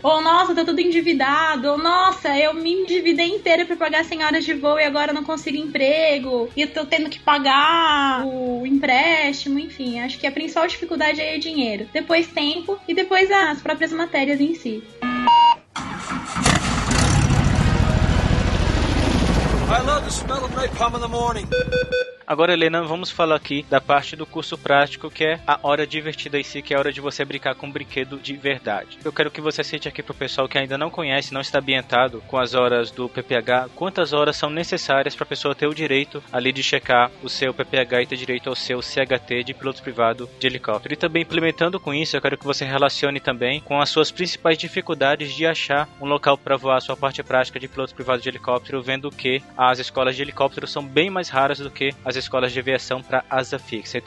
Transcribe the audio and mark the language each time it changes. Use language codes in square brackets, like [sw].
[pt] Ou, nossa, tô tudo endividado. Ou, nossa, eu me endividei inteira pra pagar 100 horas de voo e agora não consigo emprego. E tô tendo que pagar o empréstimo, enfim. Acho que a principal dificuldade aí é dinheiro. Depois tempo e depois as próprias matérias em si. [en] I love the smell of napalm in the morning. [pt] Agora, Helena, vamos falar aqui da parte do curso prático, que é a hora divertida em si, que é a hora de você brincar com um brinquedo de verdade. Eu quero que você cite aqui pro pessoal que ainda não conhece, não está ambientado com as horas do PPH, quantas horas são necessárias para a pessoa ter o direito ali de checar o seu PPH e ter direito ao seu CHT de piloto privado de helicóptero. E também, implementando com isso, eu quero que você relacione também com as suas principais dificuldades de achar um local para voar a sua parte prática de piloto privado de helicóptero, vendo que as escolas de helicóptero são bem mais raras do que as escolas de aviação para asa fixa.